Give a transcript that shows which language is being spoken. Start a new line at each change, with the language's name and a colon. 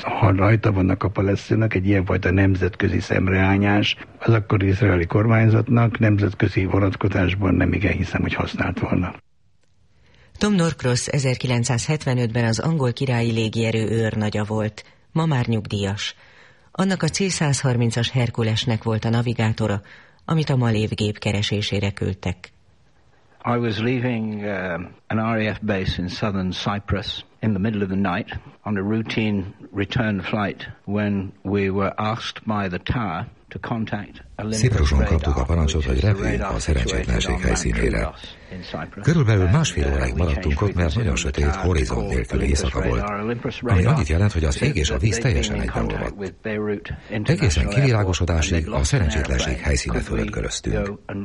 Hungarian: Ha rajta vannak a palesztinok, egy ilyenfajta nemzetközi szemreányás, az akkori izraeli kormányzatnak nemzetközi vonatkozásban nem igen hiszem, hogy használt volna. Tom Norcross 1975-ben az angol királyi légierő őrnagya volt, ma már nyugdíjas. Annak a C-130-as Herkulesnek volt a navigátora, amit a malév gép keresésére küldtek.
English: I was leaving an RAF base in southern Cyprus in the middle of the night on a routine return flight when we were asked by the tower to contact a limited
Hungarian: Cipruson kaptuk a parancsot, hogy repüljünk a szerencsétlenség helyszínére. Körülbelül másfél óráig maradtunk ott, mert nagyon sötét, horizont nélküli éjszaka volt, ami annyit jelent, hogy az ég és a víz teljesen egybeolvadt. Egészen kivilágosodásig a szerencsétlenség helyszíne fölött köröztünk.